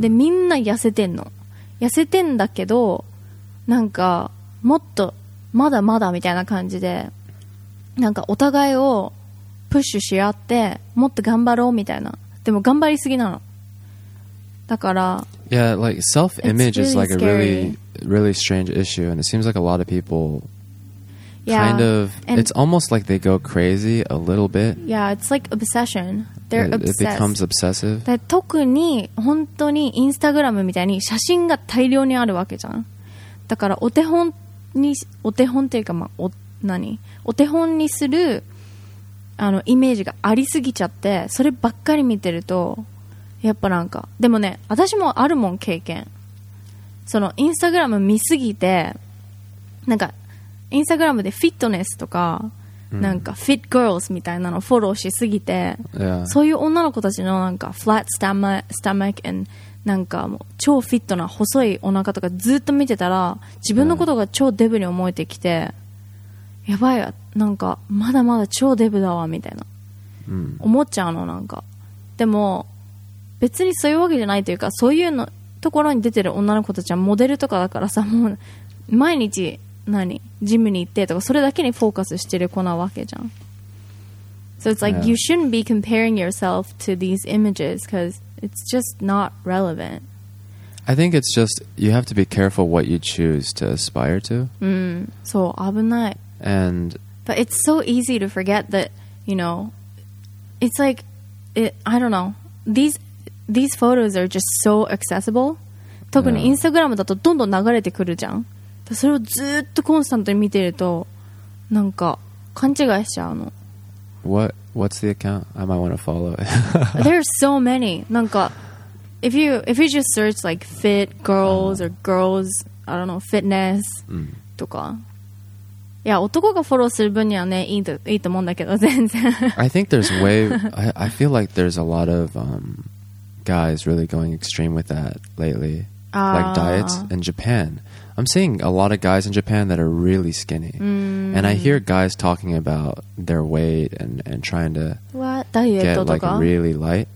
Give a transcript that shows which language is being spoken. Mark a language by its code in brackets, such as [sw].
[ja] でみんな痩せてんの痩せてんだけどなんかもっとまだまだみたいな感じでなんかお互いをプッシュし合ってもっと頑張ろうみたいなでも頑張りすぎなのだから [en] Yeah, like self-image is like a really, really strange issue and it seems like a lot of people Yeah, kind of, it's almost like they go crazy a little bit. Yeah, it's like obsession. They're it, obsessed. It becomes obsessive. [ja] で、特に本当にインスタグラムみたいに写真が大量にあるわけじゃん。だからお手本に、お手本っていうか、まあ、お、何? お手本にするあのイメージがありすぎちゃって、そればっかり見てると、やっぱなんか、でもね、私もあるもん経験。そのインスタグラム見すぎて、なんか、インスタグラムでフィットネスとか、mm. なんかフィットガールズみたいなのフォローしすぎて、 [en] yeah. [ja] そういう女の子たちのなんかフラットスタマック and なんかもう超フィットな細いお腹とかずっと見てたら自分のことが超デブに思えてきて、yeah. やばいわなんかまだまだ超デブだわみたいな、 mm. 思っちゃうのなんかでも別にそういうわけじゃないというかそういうのところに出てる女の子たちはモデルとかだからさもう毎日何ジムに行ってとかそれだけにフォーカスしてる子なわけじゃん [en] So it's like、yeah. you shouldn't be comparing yourself to these images because it's just not relevant I think it's just you have to be careful what you choose to aspire to [ja] そう危ない [en] And But it's so easy to forget that you know it's like it, I don't know these photos are just so accessible [ja] 特にインスタグラムだとどんどん流れてくるじゃんそれをずっとコンスタントに見てるとなんか勘違いしちゃうの [en] What's the account? I might want to follow it There are so many [ja] なんか [en] if you just search like fit girls or girls I don't know fitness、 mm. [ja] とかいや男がフォローする分にはねいいと思うんだけど全然 [en] I think there's way I feel like there's a lot of guys really going extreme with that lately like diets in JapanI'm seeing a lot of guys in Japan that are really skinny. Mm. And I hear guys talking about their weight and trying to get like really light.